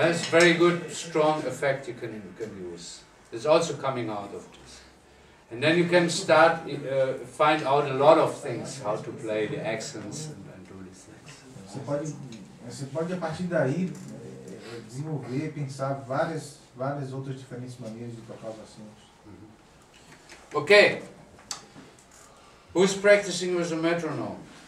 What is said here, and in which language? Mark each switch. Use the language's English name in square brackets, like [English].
[English] Very good, strong effect you can use. It's also coming out of this. And then you can start, find out a lot of things, how to play the accents and do these things. [Portuguese] Você pode, a partir daí, desenvolver, pensar várias outras diferentes maneiras de tocar os acentos. [English] Okay. Who's practicing with a metronome?